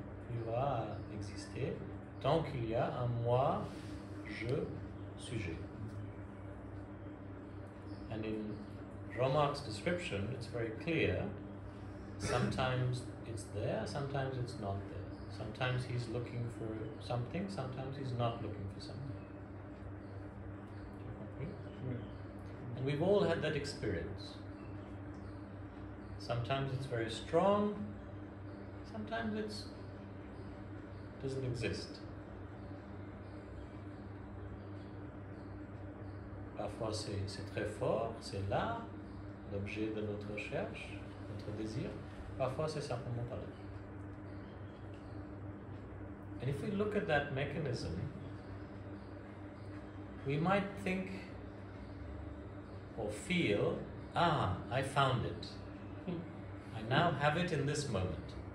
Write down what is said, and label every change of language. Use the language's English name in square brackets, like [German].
[French] Il va exister tant qu'il y a un moi, je, sujet. [English] And in Jean-Marc's description, it's very clear. Sometimes it's there, sometimes it's not there. Sometimes he's looking for something, sometimes he's not looking for something. And we've all had that experience. Sometimes it's very strong, sometimes it's doesn't exist. [French] Parfois c'est très fort, c'est là, l'objet de notre recherche, notre désir. Parfois c'est simplement pas là. [English] And if we look at that mechanism, we might think or feel, ah, I found it. I now have it in this moment.